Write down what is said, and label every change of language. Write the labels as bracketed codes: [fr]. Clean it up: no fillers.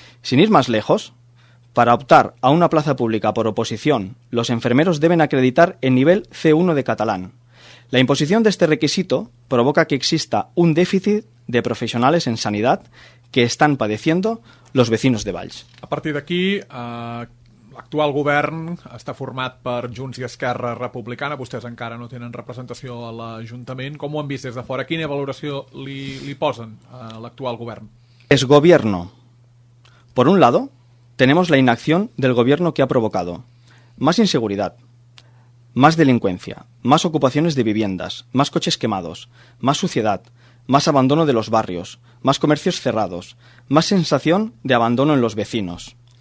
[es] Sin ir más lejos, para optar a una plaza pública por oposición, los enfermeros deben acreditar el nivel C1 de catalán. La imposición de este requisito provoca que exista un déficit de profesionales en sanidad que estan padeciendo los vecinos de Valls. [ca] A partir d'aquí, l'actual govern està format per Junts i Esquerra Republicana. Vostès encara no tenen representació a l'Ajuntament. Com ho han vist des de fora? Quina valoració li posen a l'actual govern? [es] Es gobierno. Por un lado, tenemos la inacción del gobierno que ha provocado más inseguridad, más delincuencia, más ocupaciones de viviendas, más coches quemados, más suciedad, más abandono de los barrios, más comercios cerrados, más sensación de abandono en los vecinos.